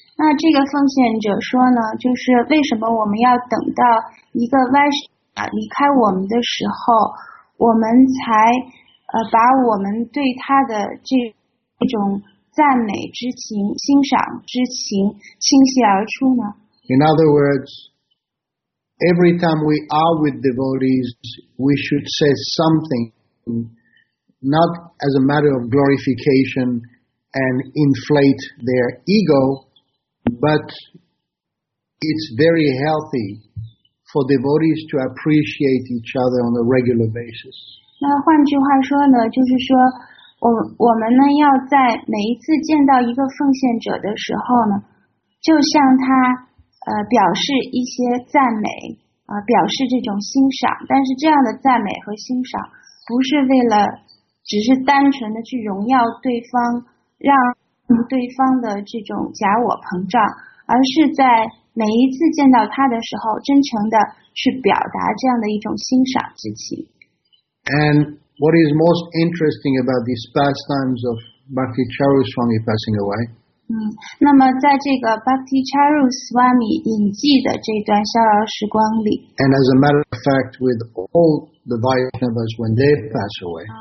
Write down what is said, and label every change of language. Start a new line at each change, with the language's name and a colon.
Chinese: 那这个奉献者说呢，就是为什么我们要等到一个 Vaishnava 离开我们的时候，我们才把我们对他的这种赞美之情、欣赏之情倾泻而出呢
English: ？In other words, every time we are with devotees, we should say something, not as a matter of glorification and inflate their ego. But it's very healthy for devotees to appreciate each other on a regular basis.
Chinese: 那换句话说呢，就是说，我们呢要在每一次见到一个奉献者的时候呢，就向他表示一些赞美表示这种欣赏。但是这样的赞美和欣赏不是为了只是单纯的去荣耀对方，让。对方的这种假我膨胀，而是在每一次见到他的时候，真诚的去表达这样的一种欣赏之情。
English: And What is most interesting about these pastimes of Bhakti Charu Swami passing away?
Chinese: 那么在这个 Bhakti Charu Swami 隐迹的这段逍遥时光里
English: ，and as a matter of fact, with all the Vaishnavas when they pass away，